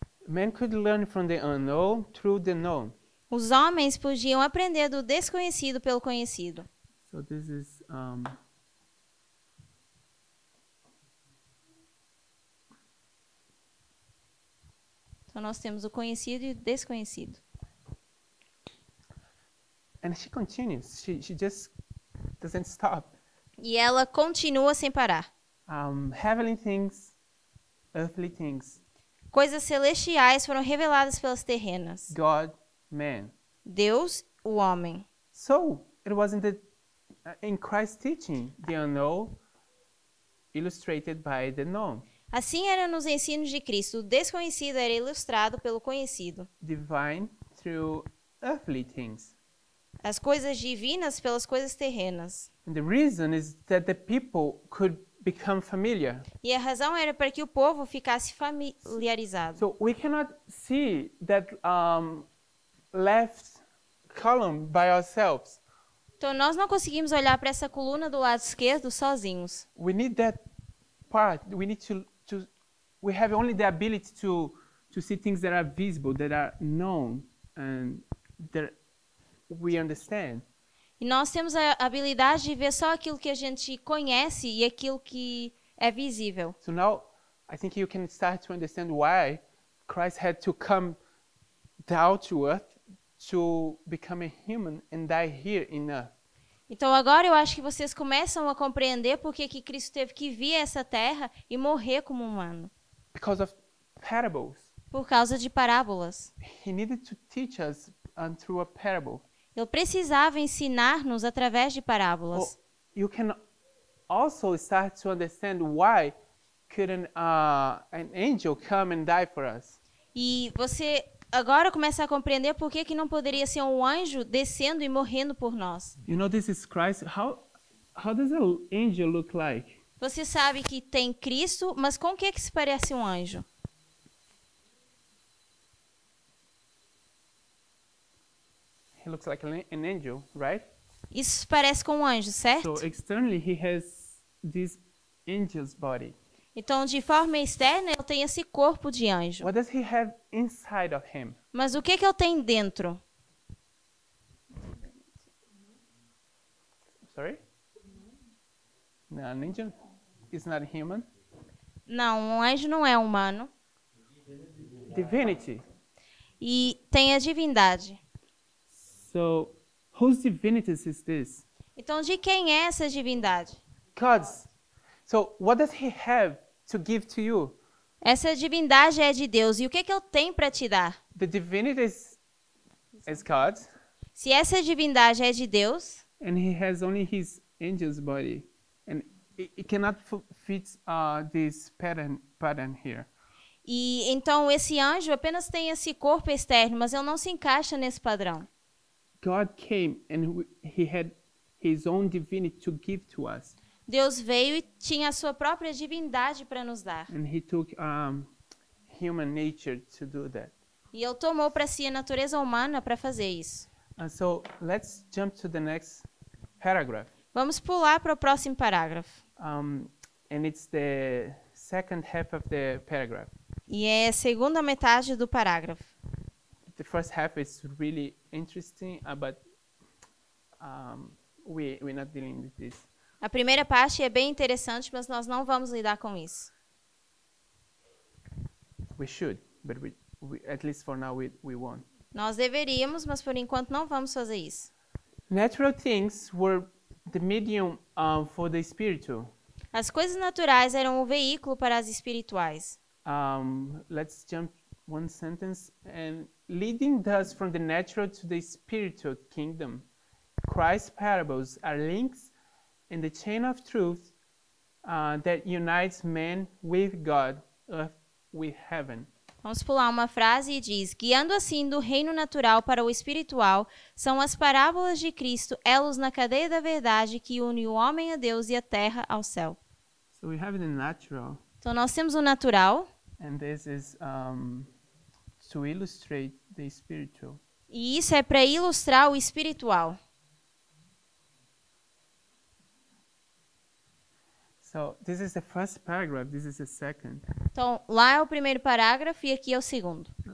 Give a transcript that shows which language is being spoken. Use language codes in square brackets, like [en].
[en] Man could learn from the unknown through the known. [pt] Os homens podiam aprender do desconhecido pelo conhecido. [en] So this is [pt] Então nós temos o conhecido e o desconhecido. [en] And she continues. She just doesn't stop. [pt] E ela continua sem parar. [en] Heavenly things, earthly things. [pt] Coisas celestiais foram reveladas pelas terrenas. [en] God, man. [pt] Deus, o homem. [en] So, it was in Christ's teaching, the unknown illustrated by the known. [pt] Assim era nos ensinos de Cristo, o desconhecido era ilustrado pelo conhecido. [en] Divine through earthly things. [pt] As coisas divinas pelas coisas terrenas. [en] And the reason is that the people could become familiar. [pt] E a razão era para que o povo ficasse familiarizado. [en] So we cannot see that left column by ourselves. [pt] Então nós não conseguimos olhar para essa coluna do lado esquerdo sozinhos. [en] We need that part. We need to we have only the ability to see things that are visible, that are known and that we understand. [pt] E nós temos a habilidade de ver só aquilo que a gente conhece e aquilo que é visível. [en] So now I think you can start to understand why Christ had to come down to earth to become a human and die here in earth. [pt] Então agora eu acho que vocês começam a compreender por que Cristo teve que vir a essa terra e morrer como humano. [en] Because of parables. [pt] Por causa de parábolas. [en] He needed to teach us through a parable. [pt] Ele precisava ensinar-nos através de parábolas. [en] Oh, you can also start to understand why couldn't an angel come and die for us. [pt] E você agora começa a compreender por que não poderia ser um anjo descendo e morrendo por nós. [en] You know, this is Christ. How does an angel look like? [pt] Você sabe que tem Cristo, mas com o que se parece um anjo? [en] He looks like an angel, right? [pt] Isso parece com um anjo, certo? [en] So externally he has this angel's body. [pt] Então, de forma externa, ele tem esse corpo de anjo. [en] What does he have inside of him? [pt] Mas o que ele tem dentro? [en] Sorry? No, an angel is not human. [pt] Não, um anjo não é humano. [en] Divinity. [pt] E tem a divindade. [en] So, whose divinity is this? [pt] Então, de quem é essa divindade? [en] God's. So, what does he have to give to you? [pt] Essa divindade é de Deus. E o que ele tem para te dar? [en] The divinity is God. [pt] Se essa divindade é de Deus, [en] and he has only his angel's body, and it cannot fit this pattern here. [pt] E então esse anjo apenas tem esse corpo externo, mas ele não se encaixa nesse padrão. [en] God came and he had his own divinity to give to us. [pt] Deus veio e tinha a sua própria divindade para nos dar. [en] And he took human nature to do that. [pt] E ele tomou para si a natureza humana para fazer isso. [en] So let's jump to the next paragraph. [pt] Vamos pular para o próximo parágrafo. [en] And it's the second half of the paragraph. [pt] E é a segunda metade do parágrafo. [en] The first half is really interesting, but we're not dealing with this. [pt] A primeira parte é bem interessante, mas nós não vamos lidar com isso. [en] We should, but we at least for now we won't. [pt] Nós deveríamos, mas por enquanto não vamos fazer isso. [en] Natural things were the medium for the spiritual. [pt] As coisas naturais eram o veículo para as espirituais. [en] Let's jump one sentence and leading us from the natural to the spiritual kingdom. Christ's parables are links in the chain of truth that unites man with God, earth with heaven. [pt] Vamos pular uma frase e diz: guiando assim do reino natural para o espiritual, são as parábolas de Cristo elos na cadeia da verdade que une o homem a Deus e a terra ao céu. [en] So we have the natural. [pt] Então nós temos o natural. [en] And this is to illustrate the spiritual. [pt] E isso é para ilustrar o espiritual. [en] So, this is the first paragraph, this is the second. [pt] Então, lá é o primeiro parágrafo e aqui é o segundo.